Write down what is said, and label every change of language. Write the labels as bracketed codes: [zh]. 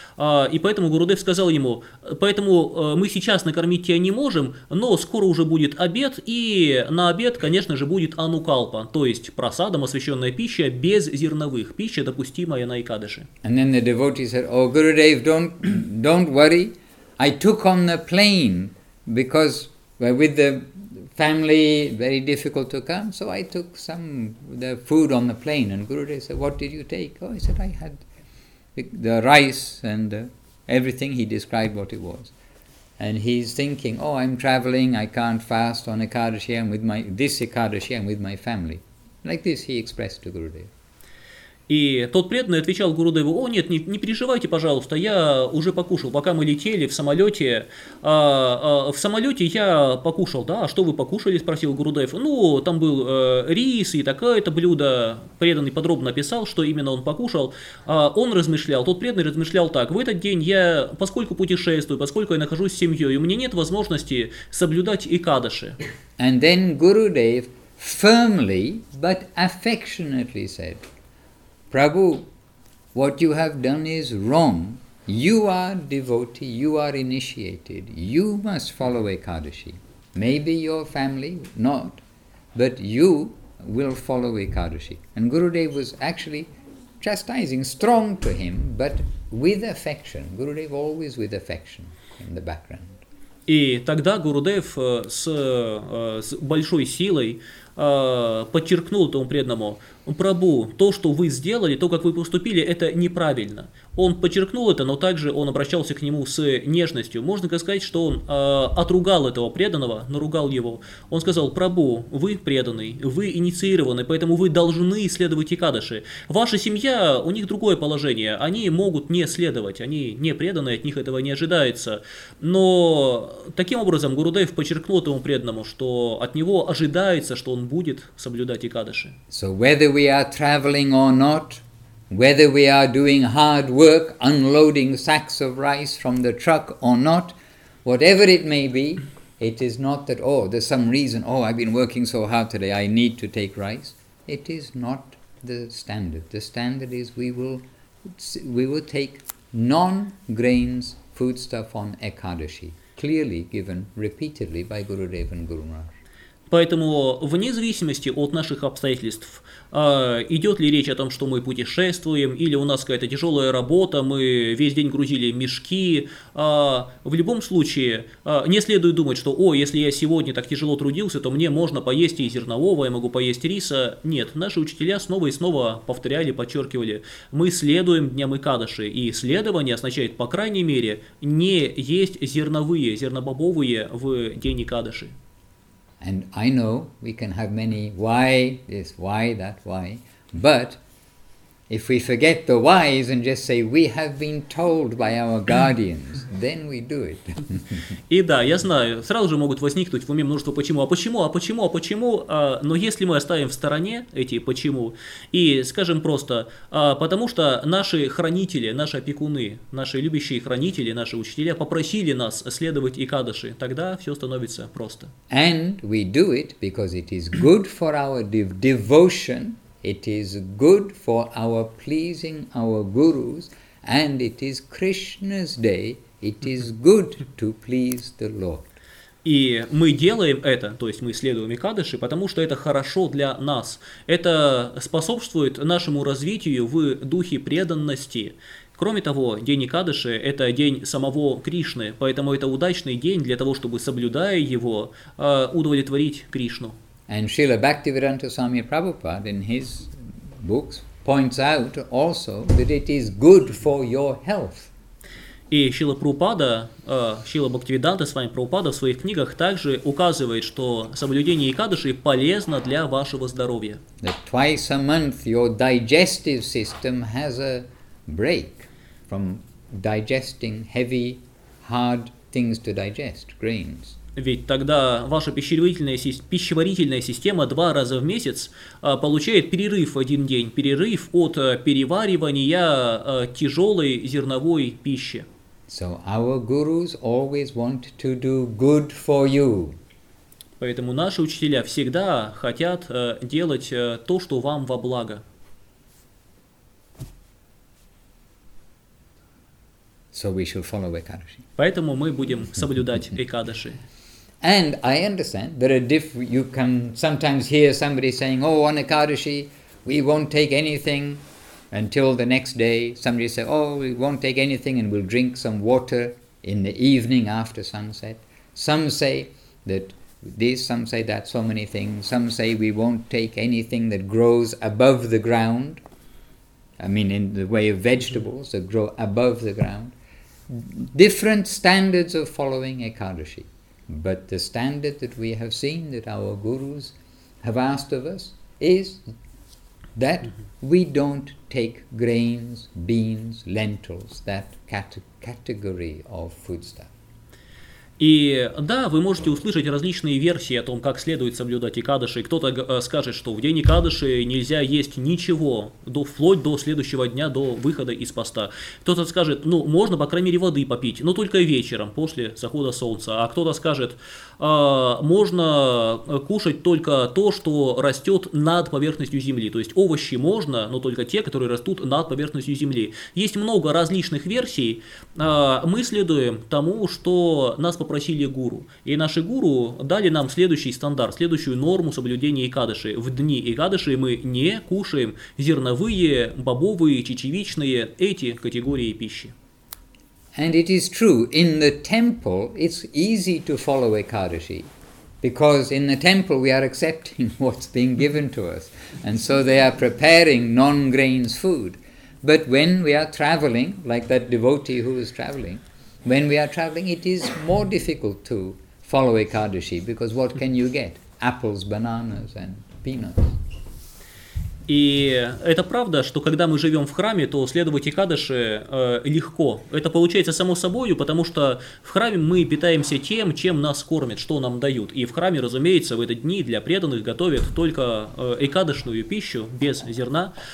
[ru] И поэтому Гурудев сказал ему, поэтому мы сейчас накормить тебя не можем, но скоро уже будет обед, и на обед, конечно же, будет анукалпа, то есть прасадам освященная пища без зерновых пищ. [en] And then the devotee said, oh, Gurudev, don't worry. I took on the plane because we're with the family, very difficult to come. So I took the food on the plane. And Gurudev said, what did you take? Oh, he said, I had the rice and everything. He described what it was. And he's thinking, oh, I'm traveling, I can't fast on Ekadashi, I'm with my family. Like this he expressed to Gurudev. [ru] И тот преданный отвечал Гурудеву, о нет, не переживайте, пожалуйста, я уже покушал, пока мы летели в самолете. В самолете я покушал, да, а что вы покушали, спросил Гурудев. Ну, там был рис и такое-то блюдо. Преданный подробно описал, что именно он покушал. Он размышлял, тот преданный размышлял так, в этот день я, поскольку путешествую, поскольку я нахожусь с семьей, у меня нет возможности соблюдать экадаши. [en] And then Gurudev firmly, but affectionately said, Prabhu, what you have done is wrong. You are devotee, you are initiated. You must follow Ekadashi. Maybe your family not, but you will follow Ekadashi. And Gurudev was actually chastising, strong to him, but with affection. Gurudev always with affection in the background. [ru] И тогда Гурудев с большой силой подчеркнул тому преданному, Прабу, то, что вы сделали, то, как вы поступили, это неправильно. Он подчеркнул это, но также он обращался к нему с нежностью. Можно сказать, что он отругал этого преданного, наругал его. Он сказал, Прабу, вы преданный, вы инициированный, поэтому вы должны следовать Экадаши. Ваша семья, у них другое положение, они могут не следовать, они не преданные, от них этого не ожидается. Но таким образом Гурудев подчеркнул этому преданному, что от него ожидается, что он будет соблюдать Экадаши. [en] So whether we are traveling or not, whether we are doing hard work, unloading sacks of rice from the truck or not, whatever it may be, it is not that, oh, there's some reason, oh, I've been working so hard today, I need to take rice. It is not the standard. The standard is we will take non-grains foodstuff on Ekadashi, clearly given repeatedly by Gurudev and Guru Maharaj. [ru] Поэтому, вне зависимости от наших обстоятельств, идет ли речь о том, что мы путешествуем, или у нас какая-то тяжелая работа, мы весь день грузили мешки, в любом случае, не следует думать, что, о, если я сегодня так тяжело трудился, то мне можно поесть и зернового, я могу поесть риса. Нет, наши учителя снова и снова повторяли, подчеркивали, мы следуем дням Экадаши, и следование означает, по крайней мере, не есть зерновые, зернобобовые в день Экадаши. [en] And I know we can have many why this, why that, why. But if we forget the whys and just say we have been told by our guardians, then we do it. [ru] И да, я знаю, сразу же могут возникнуть в уме множество почему, а почему, а почему, а почему. Но если мы оставим в стороне эти почему и скажем просто, потому что наши хранители, наши опекуны, наши любящие хранители, наши учителя попросили нас следовать Экадаши, тогда все становится просто. [en] And we do it because it is good for our devotion. It is good for our pleasing our gurus, and it is Krishna's day. It is good to please the Lord. [ru] И мы делаем это, то есть мы следуем Экадаши, потому что это хорошо для нас. Это способствует нашему развитию в духе преданности. Кроме того, день Экадаши – это день самого Кришны, поэтому это удачный день для того, чтобы, соблюдая его, удовлетворить Кришну. [en] And Srila Bhaktivedanta Swami Prabhupada in his books points out also that it is good for your health. [ru] И Шрила Прабхупада, Шрила Бхактивиданта Свами Прабхупада в своих книгах также указывает, что соблюдение Экадаши полезно для вашего здоровья. [en] That twice a month your digestive system has a break from digesting heavy, hard things to digest, grains. [ru] Ведь тогда ваша пищеварительная система два раза в месяц получает перерыв один день, перерыв от переваривания тяжелой зерновой пищи. [en] So our gurus always want to do good for you. [ru] Поэтому наши учителя всегда хотят делать то, что вам во благо. [en] So we should follow Ekadashi. [ru] Поэтому мы будем соблюдать Экадаши. [en] And I understand that you can sometimes hear somebody saying, oh, on Ekadashi, we won't take anything until the next day. Somebody say, oh, we won't take anything and we'll drink some water in the evening after sunset. Some say that this, some say that, so many things. Some say we won't take anything that grows above the ground. I mean, in the way of vegetables that grow above the ground. Different standards of following Ekadashi. But the standard that we have seen that our gurus have asked of us is that we don't take grains, beans, lentils, that category of foodstuff. [ru] И да, вы можете услышать различные версии о том, как следует соблюдать Экадаши. Кто-то скажет, что в день Экадаши нельзя есть ничего, вплоть до следующего дня, до выхода из поста. Кто-то скажет, ну, можно, по крайней мере, воды попить, но только вечером, после захода солнца. А кто-то скажет, можно кушать только то, что растет над поверхностью земли. То есть овощи можно, но только те, которые растут над поверхностью земли. Есть много различных версий. Мы следуем тому, что нас попросили гуру. И наши гуру дали нам следующий стандарт, следующую норму соблюдения Экадаши. В дни Экадаши мы не кушаем зерновые, бобовые, чечевичные, эти категории пищи. [en] And it is true, in the temple it's easy to follow Ekadashi, because in the temple we are accepting what's being given to us, and so they are preparing non-grains food. But when we are traveling, like that devotee who is traveling, when we are traveling, it is more difficult to follow Ekadashi, because what can you get? Apples, bananas and peanuts. [ru] И это правда, что когда мы живем в храме, то следовать Экадаши легко. Это получается само собой, потому что в храме мы питаемся тем, чем нас кормят, что нам дают. И в храме, разумеется, в эти дни для преданных готовят только экадошную пищу без зерна.